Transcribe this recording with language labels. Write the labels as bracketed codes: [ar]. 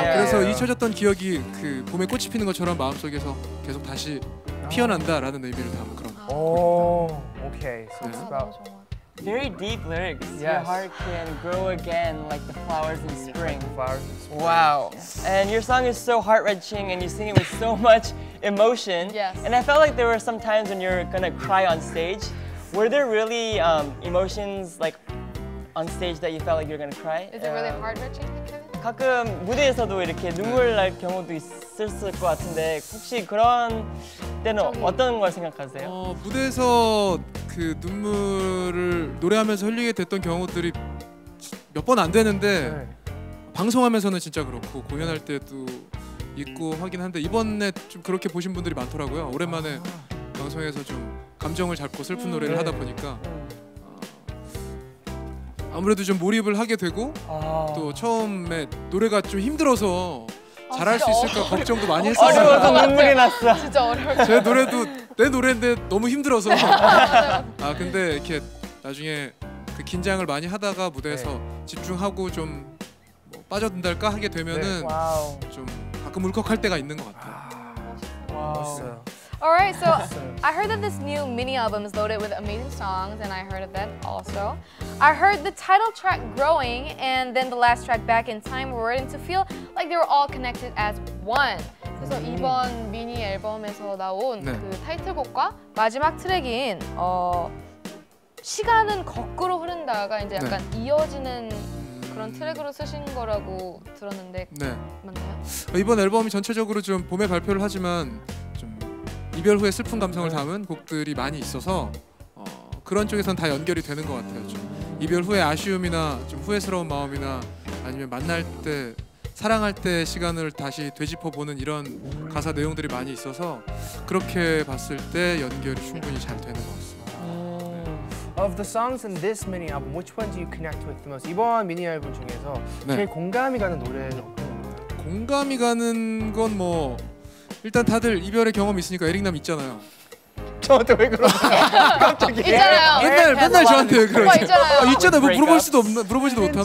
[ko] 그래서 잊혀졌던 기억이 그 봄에 꽃이 피는 것처럼 마음속에서 계속 다시 피어난다라는 의미를 담은 그런. [en] 오, okay. So it's about. Very deep lyrics. Yes. Your heart can grow again like the flowers in spring. Like flowers in spring. Wow. Yes. And your song is so heart-wrenching and you sing it with so much emotion. Yes. And I felt like there were some times when you're gonna cry on stage. Were there really emotions like on stage that you felt like you're gonna cry? Is it really heart-wrenching? [ko] 가끔 무대에서도 이렇게 눈물 날 경우도 있었을 것 같은데 혹시 그런 때는 어떤 걸 생각하세요? 무대에서 그 눈물을 노래하면서 흘리게 됐던 경우들이 몇 번 안 되는데 네. 방송하면서는 진짜 그렇고 공연할 때도 있고 하긴 한데 이번에 좀 그렇게 보신 분들이 많더라고요. 오랜만에 방송에서 좀 감정을 잡고 슬픈 노래를 하다 보니까 아무래도 좀 몰입을 하게 되고 또 처음에 노래가 좀 힘들어서 잘할 수 있을까 걱정도 많이 했었어요. 어려워서 눈물이 났어. 진짜 어려워. 제 노래도 내 노래인데 너무 힘들어서. 아 근데 이렇게 나중에 그 긴장을 많이 하다가 무대에서 네. 집중하고 좀 뭐 빠져든달까 하게 되면은 네. 좀 가끔 울컥할 때가 있는 것 같아요. 와우. 멋있어요. [en] All right, so I heard that this new mini album is loaded with amazing songs, and I heard of that also. I heard the title track Growing, and then the last track Back in Time were written to feel like they were all connected as one. [ko] 그래서 이번 미니 앨범에서 나온 네. 그 타이틀곡과 마지막 트랙인 시간은 거꾸로 흐른다가 이제 약간 네. 이어지는 그런 트랙으로 쓰신 거라고 들었는데 네. 맞나요? 이번 앨범이 전체적으로 좀 봄에 발표를 하지만 이별 후의 슬픈 감성을 담은 곡들이 많이 있어서 그런 쪽에선 다 연결이 되는 것 같아요. 좀 이별 후의 아쉬움이나 좀 후회스러운 마음이나 아니면 만날 때 사랑할 때 시간을 다시 되짚어 보는 이런 가사 내용들이 많이 있어서 그렇게 봤을 때 연결이 충분히 잘 되는 것 같습니다. [en] Of the songs in this mini album, which one do you connect with the most? [ko] 이번 미니 앨범 중에서 네. 제일 공감이 가는 노래는 어떤 거예요? 공감이 가는 건 뭐. 일단 다들 이별의 경험 있으니까 에릭남 있잖아요. 저한테 왜 그러세요? 갑자기. 있잖아요. 맨날 저한테 왜 그러세요? 있잖아요. 아, 있잖아요. 뭐 물어볼 수도 없나? 물어보지도 못하나?